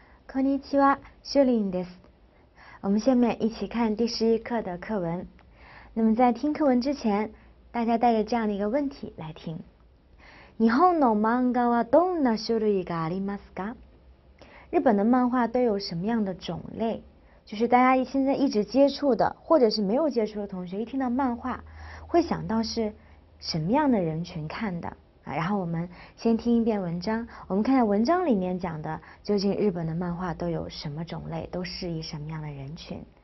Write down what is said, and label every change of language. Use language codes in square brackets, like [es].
[ja] こんにちは、シュリンです。 [zh] 我们下面一起看第十一课的课文。那么在听课文之前，大家带着这样的一个问题来听。 [ja] 日本の漫画はどんな種類がありますか？ [zh] 日本的漫画都有什么样的种类？就是大家现在一直接触的，或者是没有接触的同学，一听到漫画，会想到是什么样的人群看的？然后我们先听一遍文章，我们看看文章里面讲的究竟日本的漫画都有什么种类，都适宜什么样的人群。